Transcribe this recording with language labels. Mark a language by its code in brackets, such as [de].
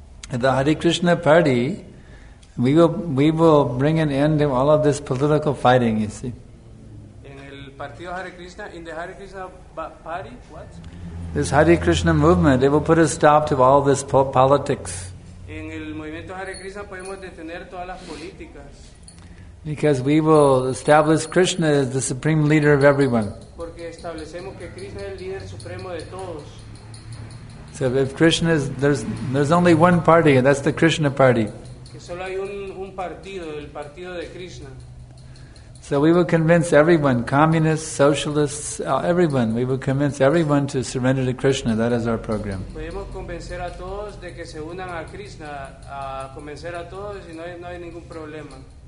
[en] At the Hare Krishna party, we will bring an end to all of this political fighting. You see. [es] En el partido [en] Hare Krishna, in the Hare Krishna party, what? This Hare Krishna movement, it will put a stop to all this politics. [es] En el movimiento Hare Krishna podemos detener todas las políticas. [en] Because we will establish Krishna as the supreme leader of everyone. [es] Porque establecemos que Krishna es el líder supremo de todos. [en] So if Krishna is, there's only one party, and that's the Krishna party. [es] Que solo hay un partido, el partido de Krishna. [en] So we will convince everyone, communists, socialists, everyone. We will convince everyone to surrender to Krishna. That is our program. [es] Podemos convencer a todos de que se unan a Krishna, a convencer a todos y no hay ningún problema.